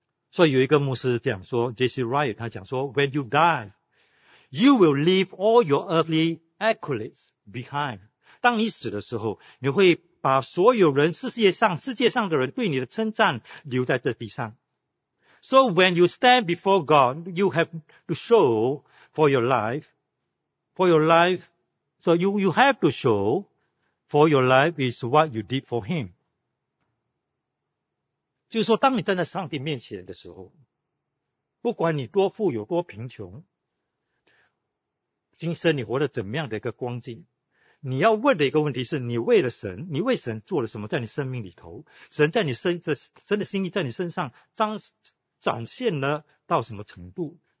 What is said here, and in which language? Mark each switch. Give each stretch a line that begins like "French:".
Chinese: 所以有一个牧师讲说， J.C. Ryle 他讲说，
English: When you die you will leave all your earthly accolades behind，
Chinese: 当你死的时候你会把所有人世界上的人对你的称赞留在这地上。
English: So when you stand before God you have to show for your life so you have to show for your life is what you did for him。
Chinese: 就是说当你站在上帝面前的时候，不管你多富有多贫穷，今生你活得怎么样的一个光景，你要问的一个问题是，你为了神，你为神做了什么？在你生命里头，神在你身，神的心意在你身上展现了到什么程度？